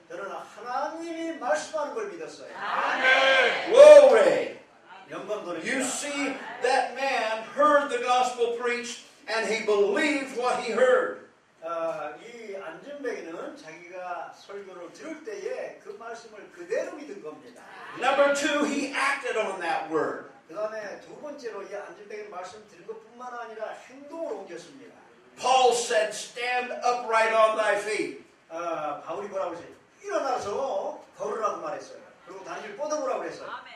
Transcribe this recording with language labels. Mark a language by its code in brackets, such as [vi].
[ko] 저는 하나님이 말씀하는 걸 믿었어요. 아멘. [en] Glory. [ko] 영광 돌립니다. [en] You see, that man heard the gospel preached and he believed what he heard. [ko] 이 안진뱅이는 자기가 설교를 들을 때에 그 말씀을 그대로 믿은 겁니다. [en] Number two, he acted on that word. [ko] 그다음에 두 번째로 이 안진뱅이 말씀 들은 것뿐만 아니라 행동을 옮겼습니다. [en] Paul said, "Stand upright on thy feet." [ko] 바울이 뭐라고 했지? 일어나서 걸으라고 말했어요. 그리고 다리를 뻗어보라고 했어요.